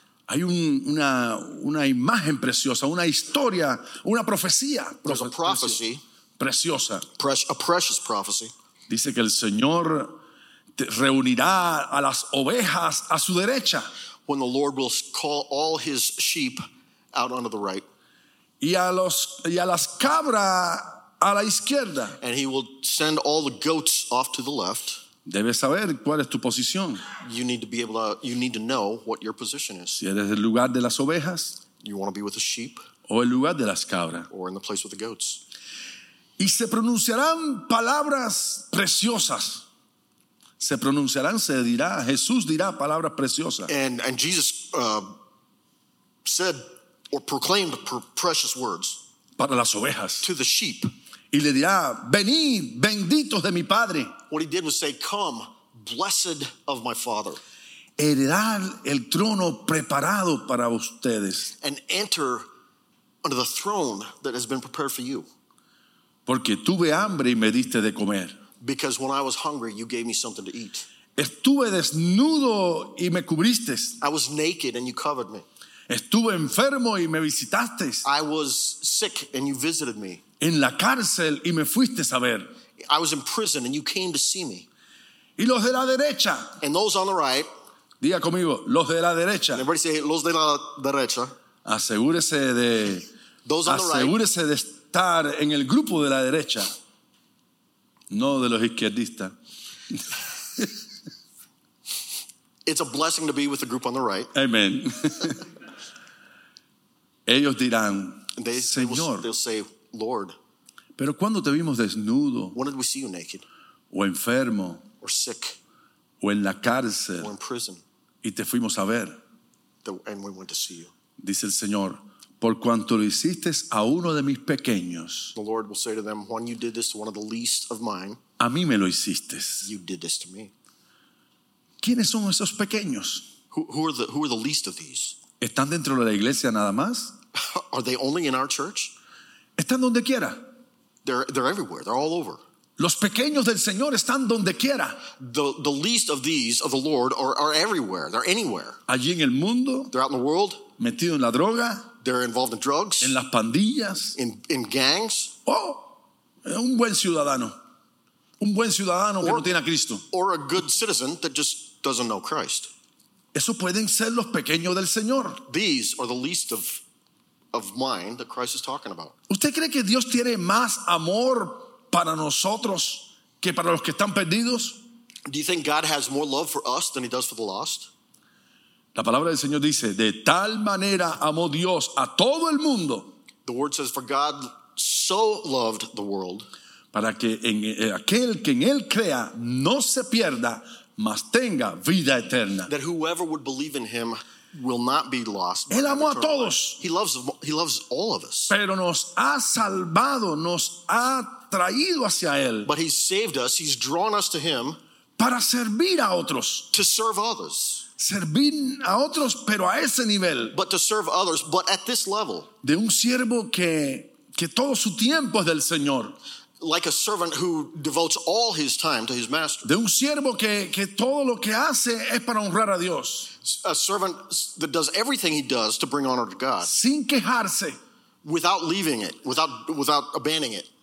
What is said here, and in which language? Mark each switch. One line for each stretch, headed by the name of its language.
Spanish: hay una imagen preciosa, una historia, una profecía.
English: There's a prophecy.
Spanish: Preciosa.
English: A precious prophecy.
Spanish: Dice que el Señor reunirá a las ovejas a su derecha.
English: When the Lord will call all his sheep out onto the right.
Spanish: Y a las cabras a la izquierda.
English: And he will send all the goats off to the left.
Spanish: Debes saber cuál es tu posición.
English: You need to be able to, you need to know what your position is.
Spanish: Si eres el lugar de las ovejas.
English: You want to be with the sheep.
Spanish: O el lugar de las cabras.
English: Or in the place with the goats.
Spanish: Y se pronunciarán palabras preciosas. Se pronunciarán, se dirá, Jesús dirá palabras preciosas.
English: And Jesus said or proclaimed precious words.
Spanish: Para las ovejas.
English: To the sheep.
Spanish: Y le dirá, venid, benditos de mi Padre.
English: What he did was say, come, blessed of my Father.
Spanish: Heredar el trono preparado para ustedes.
English: And enter under the throne that has been prepared for you.
Spanish: Porque tuve hambre y me diste de comer.
English: Because when I was hungry, you gave me something to eat.
Spanish: Estuve desnudo y me cubriste.
English: I was naked and you covered me.
Spanish: Estuve enfermo y me visitaste.
English: I was sick and you visited me.
Spanish: En la cárcel y me fuiste a ver.
English: I was in prison and you came to see me.
Spanish: Y los de la derecha.
English: And those on the right.
Spanish: Diga conmigo, los de la derecha.
English: And everybody say,
Spanish: los de la derecha. Asegúrese de.
English: Those on
Spanish: asegúrese
English: the right.
Spanish: Asegúrese de estar en el grupo de la derecha, no de los izquierdistas.
English: It's a blessing to be with the group on the right. Amen.
Spanish: Ellos dirán, Señor,
English: they'll say, Lord,
Spanish: pero cuando te vimos desnudo,
English: when did we see you naked,
Spanish: o enfermo,
English: or sick,
Spanish: o en la cárcel,
English: or in prison,
Spanish: y te fuimos a ver,
English: and we went to see you.
Spanish: Dice el Señor, por cuanto lo hiciste a uno de mis pequeños.
English: The Lord will say to them, when you did this to one of the least of mine,
Spanish: a mí me lo hiciste.
English: You did this to me.
Spanish: ¿Quiénes son esos pequeños?
English: Who are the least of these?
Spanish: ¿Están dentro de la iglesia nada más?
English: Are they only in our church?
Spanish: Están donde quiera.
English: They're everywhere. They're all over.
Spanish: Los pequeños del Señor están donde quiera.
English: The least of these of the Lord are everywhere. They're anywhere.
Spanish: Allí en el mundo.
English: They're out in the world.
Spanish: Metido en la droga.
English: They're involved in drugs.
Spanish: En las pandillas.
English: In gangs.
Spanish: Oh, un buen ciudadano. Un buen ciudadano que no tiene a Cristo.
English: Or a good citizen that just doesn't know Christ.
Spanish: Esos pueden ser los pequeños del Señor.
English: These are the least of mine that Christ is talking about.
Spanish: ¿Usted cree que Dios tiene más amor para nosotros que para los que están perdidos?
English: Do you think God has more love for us than he does for the lost?
Spanish: La palabra del Señor dice, de tal manera amó Dios a todo el mundo.
English: The word says, for God so loved the world.
Spanish: Para que en aquel que en él crea no se pierda, mas tenga vida eterna.
English: That whoever would believe in him will not be lost.
Spanish: Él amó a todos.
English: He loves all of us.
Spanish: Pero nos ha salvado, nos ha traído hacia él.
English: But he's saved us, he's drawn us to him.
Spanish: Para servir a otros.
English: To serve others.
Spanish: Servir a otros, pero a ese nivel.
English: But to serve others, but at this level.
Spanish: De un siervo que todo su tiempo es del Señor.
English: Like a servant who devotes all his time to his master.
Spanish: De un siervo que todo lo que hace es para honrar a Dios.
English: A servant that does everything he does to bring honor to God.
Spanish: Sin quejarse.
English: Without leaving it, without abandoning it.